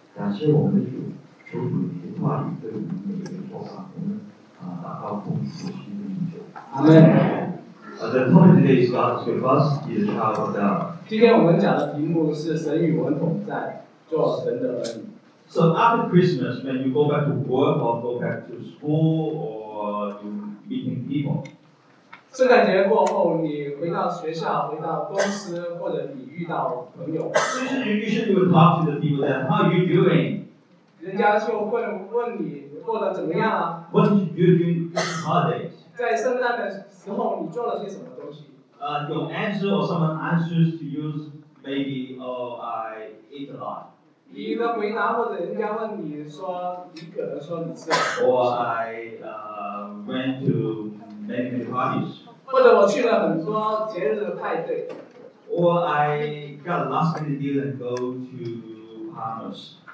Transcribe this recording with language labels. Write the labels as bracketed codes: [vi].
[zh] 感谢我们的主，求主你的话语对我们每个人说话，我们达到共识，心灵永久。阿门。 [en] The topic today is God's with us. Is child of God. [zh] 今天我们讲的题目是神与我们同在，做神的儿女。 [en] So after Christmas, when you go back to work or go back to school or you meeting people. [zh] 圣诞节过后，你回到学校，回到公司，或者你遇到朋友。 [en] Usually you talk to the people then, how are you doing? [zh] 人家就会问你过得怎么样啊。 [en] What did you do during the holidays? [zh] 在圣诞的时候，你做了些什么东西？ [en] Your answer or someone answers to you, maybe, oh, I ate a lot. [zh] 你的回答或者人家问你说，你可能说你吃 [en] 了。Or I went to. Many parties. [zh] 或者我去了很多节日的派对。 [en] Or I got a last minute deal and go to Palmer's.